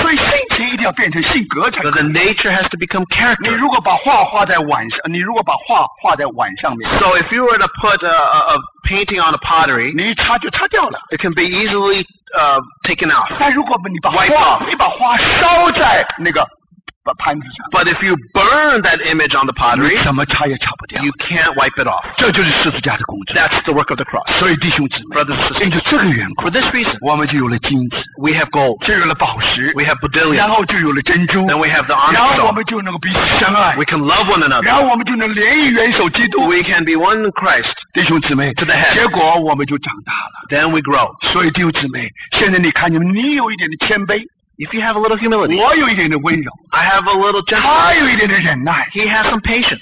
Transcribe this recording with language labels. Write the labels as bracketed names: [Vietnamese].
[Chinese] 所以性情一定要变成性格才可以。 [English] The nature has to become character. [Chinese] 你如果把画画在碗上面。 [English] So if you were to put a painting on a pottery, [Chinese] 你一擦就擦掉了。 [English] It can be easily taken off. [Chinese] 但如果你把画烧在那个。 [English] But if you burn that image on the pottery, [Chinese] 你什么擦也擦不掉, [English] you can't wipe it off. [Chinese] 这就是十字架的工作, [English] that's the work of the cross. [Chinese] 所以弟兄姊妹, [English] brothers and sisters, [Chinese] 因着这个缘故, [English] for this reason, [Chinese] 我们就有了金子, [English] we have gold, [Chinese] 就有了宝石, [English] we have bdellium, [Chinese] 然后就有了珍珠, [English] then we have the onyx, we can love one another, [Chinese] 然后我们就能连于元首基督, [English] we can be one in Christ, [Chinese] 弟兄姊妹, [English] to the head. [Chinese] 结果我们就长大了, [English] then we grow. [Chinese] 所以弟兄姊妹, 现在你看你们, 你有一点的谦卑, [English] if you have a little humility, [Chinese] 我有一点的温柔, [English] I have a little gentleness, he has some patience.